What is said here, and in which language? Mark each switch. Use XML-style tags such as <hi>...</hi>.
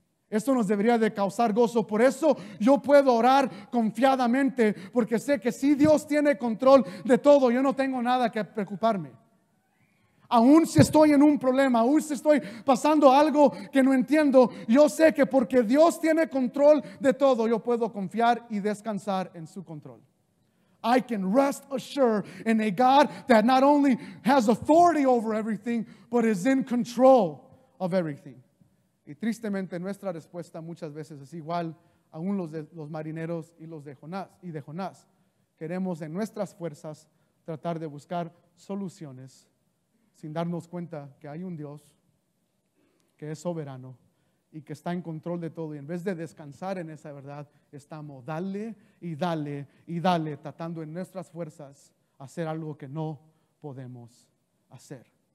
<es>Eso nos debería de causar gozo. Por eso yo puedo orar confiadamente, porque sé que si Dios tiene control de todo, yo no tengo nada que preocuparme. Aún si estoy en un problema, aún si estoy pasando algo que no entiendo, yo sé que porque Dios tiene control de todo, yo puedo confiar y descansar en su control.</es> <en>I can rest assured in a God that not only has authority over everything, but is in control of everything.</en> <es>Y tristemente nuestra respuesta muchas veces es igual, aún los marineros y los de Jonás. Y de Jonás, queremos en nuestras fuerzas tratar de buscar soluciones sin darnos cuenta que hay un Dios que es soberano y que está en control de todo. Y en vez de descansar en esa verdad, estamos dale y dale y dale, tratando en nuestras fuerzas hacer algo que no podemos hacer.</es>